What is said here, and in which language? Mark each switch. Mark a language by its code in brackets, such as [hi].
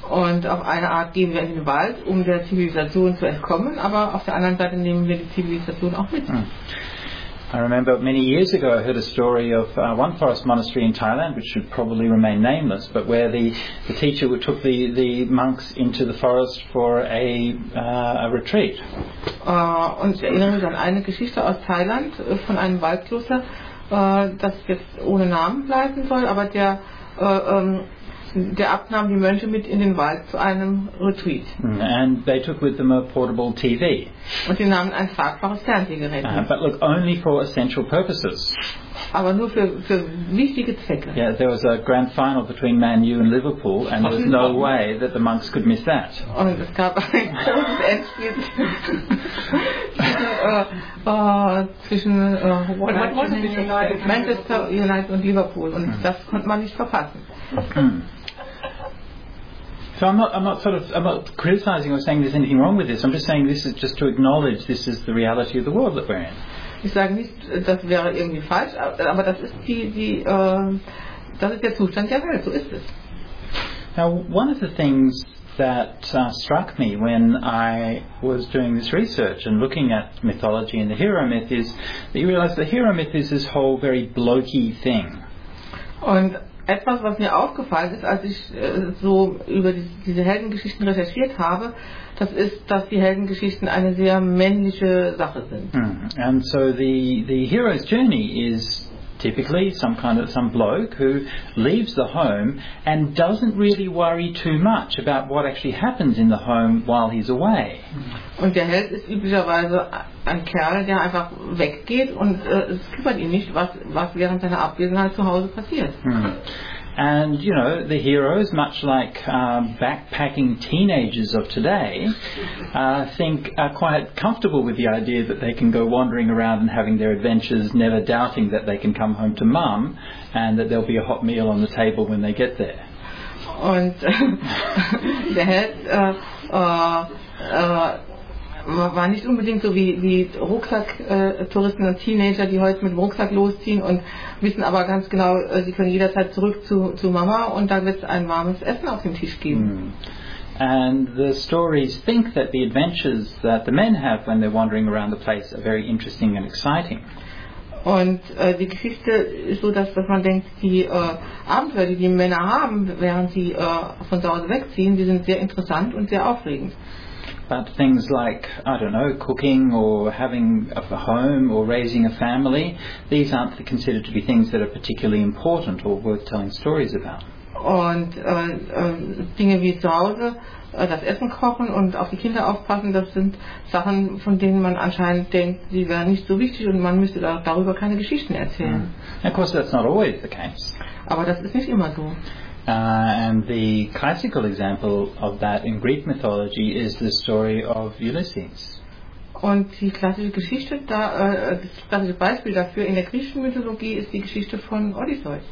[de] Und auf eine Art gehen wir in den Wald, um der Zivilisation zu entkommen, aber auf der anderen Seite nehmen wir die Zivilisation auch mit. [en] I remember many years ago I heard a story of one forest monastery in Thailand, which should probably remain nameless, but where the teacher took the monks into the forest for a retreat. [de] Und ich erinnere mich an eine Geschichte aus Thailand von einem Waldkloster, das jetzt ohne Namen bleiben soll, aber der abnahm die Mönche mit in den Wald zu einem Retreat. [en] And they took with them a portable TV. [de] Und sie nahmen ein tragbares Fernsehgerät mit. [en] But look, only for essential purposes. [de] Aber nur für wichtige Zwecke. [en] Yeah, there was a grand final between Man U and Liverpool, and there was no way that the monks could miss that. [de] Und es gab ein großes Endspiel zwischen Manchester United und Liverpool, und das konnte man nicht verpassen. [en] So I'm not criticizing or saying there's anything wrong with this. I'm just saying this is just to acknowledge this is the reality of the world that we're in. [de] Ich sage nicht, das wäre irgendwie falsch, aber das ist das ist der Zustand der Welt. So ist es. [en] Now, one of the things that struck me when I was doing this research and looking at mythology and the hero myth is that you realize the hero myth is this whole very blokey thing. [de] Und etwas, was mir aufgefallen ist, als ich so über diese Heldengeschichten recherchiert habe, das ist, dass die Heldengeschichten eine sehr männliche Sache sind. Mm. [en] And so the hero's journey is typically some bloke who leaves the home and doesn't really worry too much about what actually happens in the home while he's away. [de] Und der Held ist üblicherweise ein Kerl, der einfach weggeht und es kümmert ihn nicht, was während seiner Abwesenheit zu Hause passiert. Mm. [en] And you know, the heroes, much like backpacking teenagers of today, are quite comfortable with the idea that they can go wandering around and having their adventures, never doubting that they can come home to mum and that there'll be a hot meal on the table when they get there. [de] Und der Held war nicht unbedingt so wie Rucksacktouristen und Teenager, die heute mit dem Rucksack losziehen und wissen aber ganz genau, sie können jederzeit zurück zu Mama und da wird es ein warmes Essen auf dem Tisch geben. Mm. [en] And the stories think that the adventures that the men have when they're wandering around the place are very interesting and exciting. [de] Und die Geschichte ist so, dass man denkt, die Abenteuer, die Männer haben, während sie von zu Hause wegziehen, die sind sehr interessant und sehr aufregend. [en] But things like, I don't know, cooking or having a home or raising a family, these aren't considered to be things that are particularly important or worth telling stories about. [de] Und Dinge wie zu Hause, das Essen kochen und auf die Kinder aufpassen, das sind Sachen, von denen man anscheinend denkt, sie wären nicht so wichtig und man müsste darüber keine Geschichten erzählen. [en] Mm. Of course, that's not always the case. [de] Aber das ist nicht immer so. [en] And the classical example of that in Greek mythology is the story of Ulysses. [de] Und die klassische Geschichte da, das klassische Beispiel dafür in der griechischen Mythologie ist die Geschichte von Odysseus.